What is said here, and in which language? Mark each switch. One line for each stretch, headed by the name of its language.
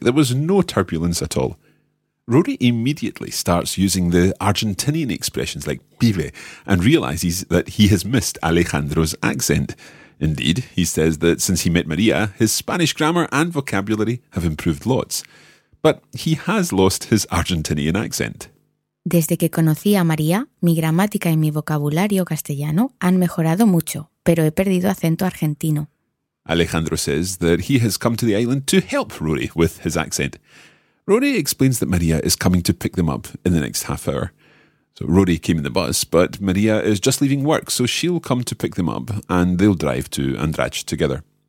English: There was no turbulence at all. Rory immediately starts using the Argentinian expressions like pibe and realizes that he has missed Alejandro's accent. Indeed, he says that since he met Maria, his Spanish grammar and vocabulary have improved lots. But he has lost his Argentinian accent.
Spanish: Desde que conocí a María, mi gramática y mi vocabulario castellano han mejorado mucho, pero he perdido acento argentino.
English: Alejandro says that he has come to the island to help Rory with his accent. Rory explains that Maria is coming to pick them up in the next half hour. So Rory came in the bus, but Maria is just leaving work, so she'll come to pick them up and they'll drive to Andrach together.